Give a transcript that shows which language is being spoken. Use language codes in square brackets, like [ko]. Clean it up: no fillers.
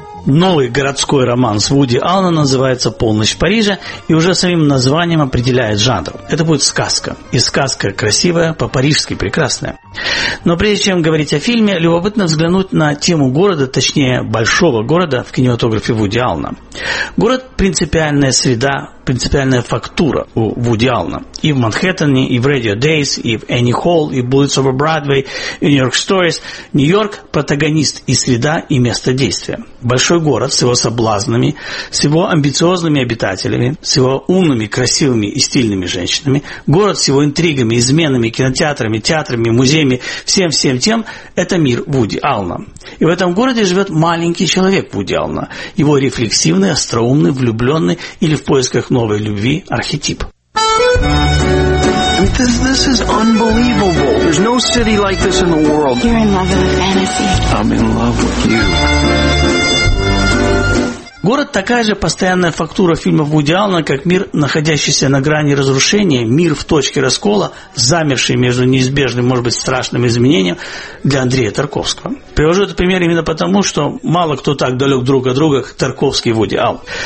[ru] Новый городской роман с Вуди Аллена называется «Полночь в Париже» и уже самим названием определяет жанр. Это будет сказка. И сказка красивая, по-парижски прекрасная. Но прежде чем говорить о фильме, любопытно взглянуть на тему города, точнее большого города в кинематографе Вуди Аллена. Город – принципиальная среда, принципиальная фактура у Вуди Аллена. И в Манхэттене, и в Radio Days, и в Annie Hall, и Bullets over Broadway, и New York Stories. Нью-Йорк – протагонист и среда, и место действия. Большой город с его соблазнами, с его амбициозными обитателями, с его умными, красивыми и стильными женщинами. Город с его интригами, изменами, кинотеатрами, театрами, музеями, всем-всем тем – это мир Вуди Аллена. И в этом городе живет маленький человек Вуди Аллена, его рефлексивный, остроумный, влюбленный или в поисках новой любви архетип. [en] This is unbelievable. There's no city like this in the world. You're in love with a fantasy. I'm in love with you. [ru] Город – такая же постоянная фактура фильмов Вуди Аллена, как мир, находящийся на грани разрушения, мир в точке раскола, замерший между неизбежным, может быть, страшным изменением для Андрея Тарковского. Привожу этот пример именно потому, что мало кто так далек друг от друга, как Тарковский и Вуди Аллен.